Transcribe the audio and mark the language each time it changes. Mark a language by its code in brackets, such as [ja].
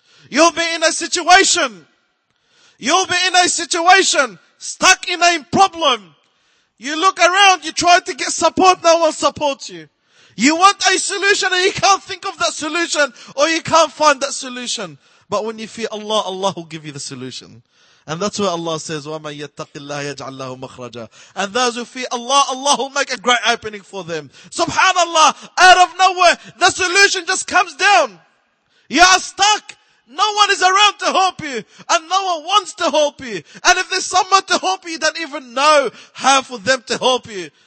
[en] You'll be in a situation. You'll be in a situation, stuck in a problem. You look around, you try to get support, no one supports you. You want a solution and you can't think of that solution, or you can't find that solution. But when you fear Allah, Allah will give you the solution. And that's where Allah says, [ar] وَمَنْ يَتَّقِ اللَّهِ يَجْعَلْ لَهُ مَخْرَجًا. [en] And those who fear Allah, Allah will make a great opening for them. Subhanallah, out of nowhere, the solution just comes down. You are stuck. No one is around to help you, and no one wants to help you. And if there's someone to help you, you don't even know how for them to help you.